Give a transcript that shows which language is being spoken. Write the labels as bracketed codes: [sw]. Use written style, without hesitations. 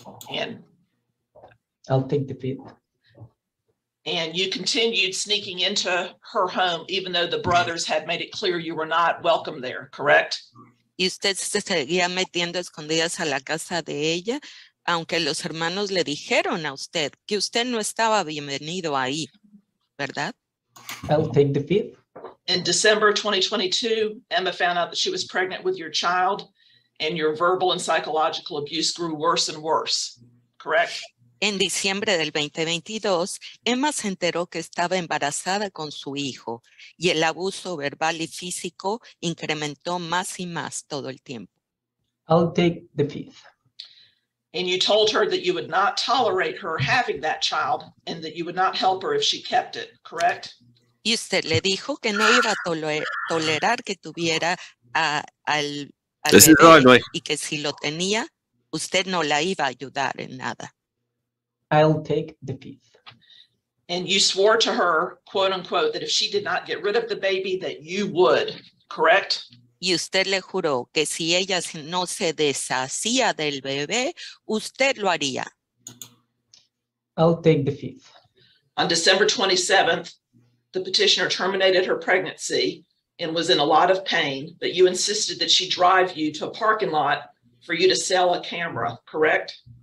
[en] And I'll take the fifth. And you continued sneaking into her home, even though the brothers had made it clear you were not welcome there, correct? [es] Y usted se seguía metiendo escondidas a la casa de ella, aunque los hermanos le dijeron a usted que usted no estaba bienvenido ahí, ¿verdad? [en] I'll take the fifth. In December 2022, Emma found out that she was pregnant with your child, and your verbal and psychological abuse grew worse and worse, correct? [es] En diciembre del 2022, Emma se enteró que estaba embarazada con su hijo, y el abuso verbal y físico incrementó más y más todo el tiempo. [en] I'll take the fifth. And you told her that you would not tolerate her having that child and that you would not help her if she kept it, correct? [es] Y usted le dijo que no iba a tolerar que tuviera al bebé, y que si lo tenía, usted no la iba a ayudar en nada. [en] I'll take the fifth. And you swore to her, quote unquote, that if she did not get rid of the baby, that you would, correct? [es] Y usted le juró que si ella no se deshacía del bebé, usted lo haría. [en] I'll take the fifth. On December 27th, the petitioner terminated her pregnancy and was in a lot of pain, but you insisted that she drive you to a parking lot for you to sell a camera, correct?